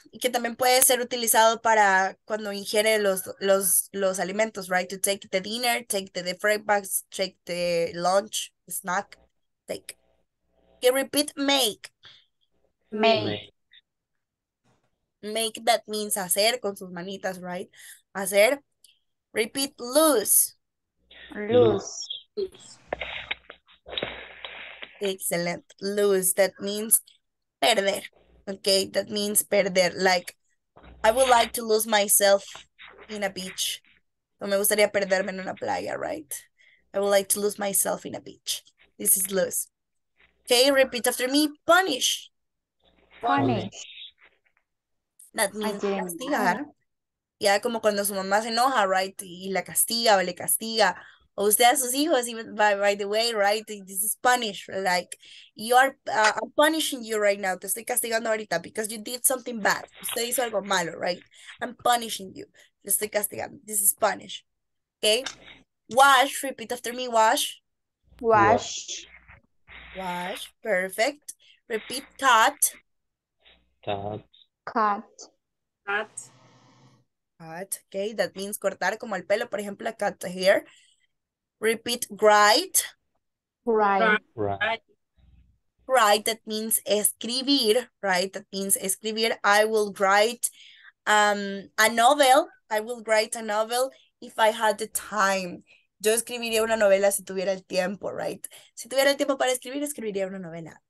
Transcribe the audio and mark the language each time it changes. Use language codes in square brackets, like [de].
[es] Y que también puede ser utilizado para cuando ingiere los alimentos, right? [en] To take the dinner, take the breakfast, take the lunch, the snack. Take. Okay, repeat, make. Make. Make, that means [es] hacer con sus manitas, right? Hacer. [en] Repeat, lose. Lose. Excellent. Lose, that means perder. Okay, that means perder. Like, I would like to lose myself in a beach. [es] No me gustaría perderme en una playa, right? [en] I would like to lose myself in a beach. This is lose. Okay, repeat after me. Punish. Punish. That means castigar. [es] Ya, yeah, como cuando su mamá se enoja, right? Y la castiga o le castiga. O usted a sus hijos, [en] by the way, [es] right? [en] This is punish. Like, you are, I'm punishing you right now. [es] Te estoy castigando ahorita [en] because you did something bad. [es] Usted hizo algo malo, [en] right? I'm punishing you. [es] Te estoy castigando. [en] This is punish. Okay? Wash. Repeat after me. Wash. Wash. Wash, perfect. Repeat, cut. Cut. Cut. Cut. Cut, okay, that means [es] cortar como el pelo, por ejemplo, [en] cut the hair. Repeat, write. Write. Write. Write, that means escribir, right? That means escribir. I will write a novel. I will write a novel if I had the time. [es] Yo escribiría una novela si tuviera el tiempo, right? Si tuviera el tiempo para escribir, escribiría una novela.